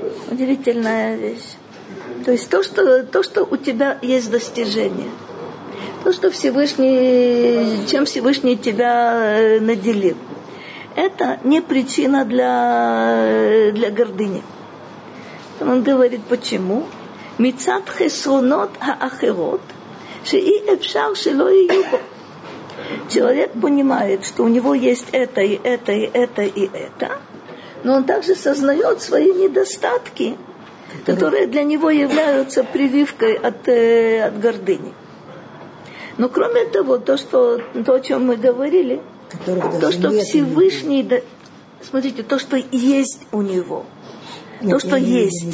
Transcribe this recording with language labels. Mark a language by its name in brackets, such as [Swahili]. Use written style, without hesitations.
[Russian] Удивительная вещь. То есть то, что у тебя есть достижение, то, что Всевышний, чем Всевышний тебя наделил, это не причина для гордыни. Он говорит, почему? [Hebrew] מצד חסרונות האחרות שאי אפשר שלא יהיו בו. [Russian] Человек понимает, что у него есть это и это и это и это, но он также сознает свои недостатки, которые для него являются прививкой от гордыни. Но кроме того, то, о чем мы говорили, то, что Всевышний, смотрите, то, что есть у него, то, что есть.